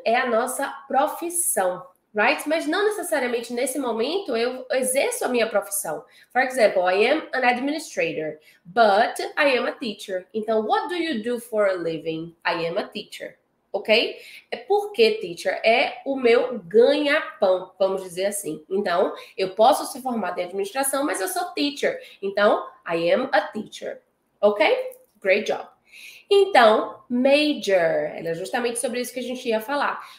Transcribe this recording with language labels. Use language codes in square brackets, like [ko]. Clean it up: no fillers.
[pt] É a nossa profissão, right? Mas não necessariamente nesse momento eu exerço a minha profissão. [en] For example, I am an administrator, but I am a teacher. Então, what do you do for a living? I am a teacher. Ok? [pt] É porque, teacher, é o meu ganha-pão, vamos dizer assim. Então, eu posso ser formada em administração, mas eu sou teacher. [en] Então, I am a teacher. Ok? Great job. [pt] Então, major, era justamente sobre isso que a gente ia falar.